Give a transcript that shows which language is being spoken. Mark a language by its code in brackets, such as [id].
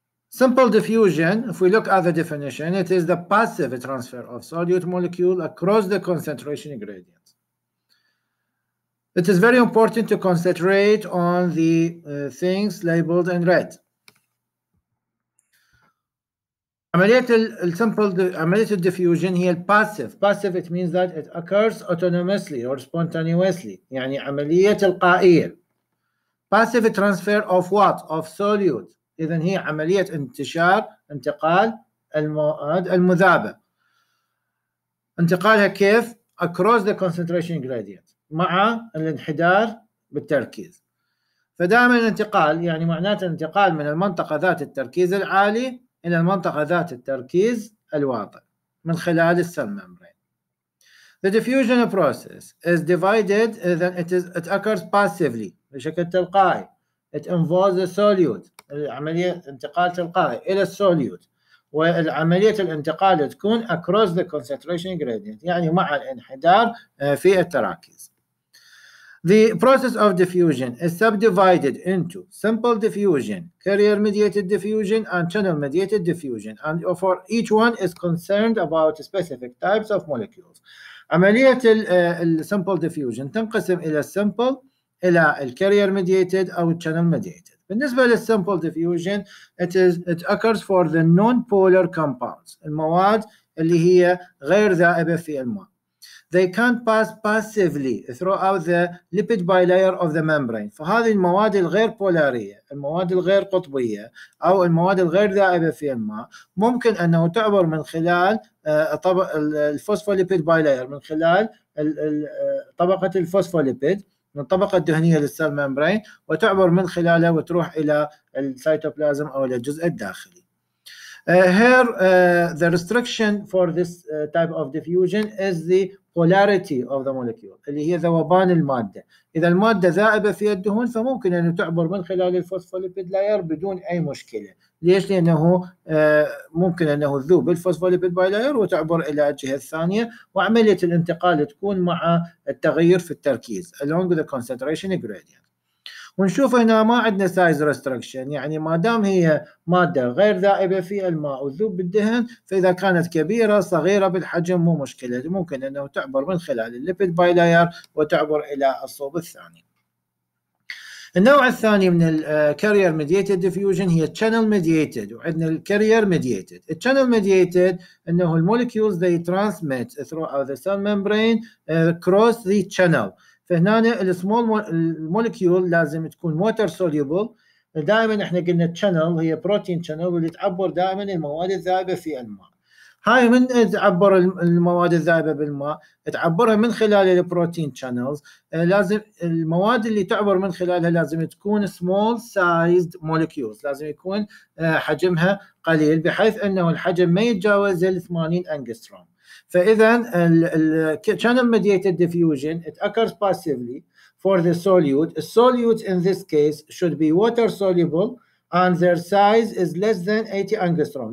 [en] Simple diffusion, if we look at the definition, it is the passive transfer of solute molecule across the concentration gradient. It is very important to concentrate on the things labeled in red. [ar] عملية diffusion هي passive. [en] Passive, it means that it occurs autonomously or spontaneously. [ar] يعني عملية تلقائية. [en] Passive transfer of what? Of solute. [ar] إذن هي عملية انتشار انتقال المواد المذابة. انتقالها كيف؟ [en] Across the concentration gradient [ar] مع الانحدار بالتركيز. فدائما الانتقال يعني معناته انتقال من المنطقة ذات التركيز العالي إلى المنطقة ذات التركيز الواطئ من خلال السيل ممبرين. [en] The diffusion process is divided, then it occurs passively [ar] بشكل تلقائي. [en] It involves the solute. [ar] العملية انتقال تلقائي إلى السوليوت والعملية الانتقال تكون [en] across the concentration gradient [ar] يعني مع الانحدار في التراكز. [en] The process of diffusion is subdivided into simple diffusion, carrier mediated diffusion and channel mediated diffusion and for each one is concerned about specific types of molecules. [ar] عملية الـ simple diffusion تنقسم إلى simple إلى carrier mediated أو channel mediated. [en] بالنسبة للsimple diffusion, it occurs for the non-polar compounds, [ar] المواد اللي هي غير ذائبة في الماء. [en] They can't pass passively throughout the lipid bilayer of the membrane. [ar] فهذه المواد الغير بولارية, المواد الغير قطبية, أو المواد الغير ذائبة في الماء, ممكن أنه تعبر من خلال الفوسفوليبيد bilayer, من خلال طبقة الفوسفوليبيد, من الطبقة الدهنية للسيل ممبرين وتعبر من خلالها وتروح إلى السيتوبلازم أو إلى الجزء الداخلي. [en] The restriction for this type of diffusion is the polarity of the molecule [ar] اللي هي ذوبان المادة. إذا المادة ذائبة في الدهون فممكن أن تعبر من خلال الفوسفوليبيد لاير بدون أي مشكلة. ليش؟ لأنه ممكن أنه تذوب الفوسفوليبيد بايلاير وتعبر إلى الجهة الثانية وعملية الانتقال تكون مع التغير في التركيز [en] along the concentration gradient. [ar] ونشوف هنا ما عندنا size restriction, يعني ما دام هي مادة غير ذائبة في الماء وتذوب بالدهن فإذا كانت كبيرة صغيرة بالحجم مو مشكلة, ممكن أنه تعبر من خلال الليبيد بايلاير وتعبر إلى الصوب الثاني. النوع الثاني من الـ carrier mediated diffusion هي channel mediated, وعندنا الـ carrier mediated. [en] الـ channel mediated [ar] انه المولكيولز [en] they transmit throughout the cell membrane across the channel. [ar] فهنا الـ small molecule لازم تكون water soluble. دائما احنا قلنا channel هي protein channel واللي تعبر دائما المواد الذائبة في الماء. هاي من تعبر المواد الذائبة بالماء؟ تعبرها من خلال البروتين channels. لازم المواد اللي تعبر من خلالها لازم تكون small sized molecules, لازم يكون حجمها قليل بحيث انه الحجم ما يتجاوز 80 انجستروم. [en] فاذا الـ channel mediated diffusion it occurs passively for the solute. A solute in this case should be water soluble and their size is less than 80 angstrom.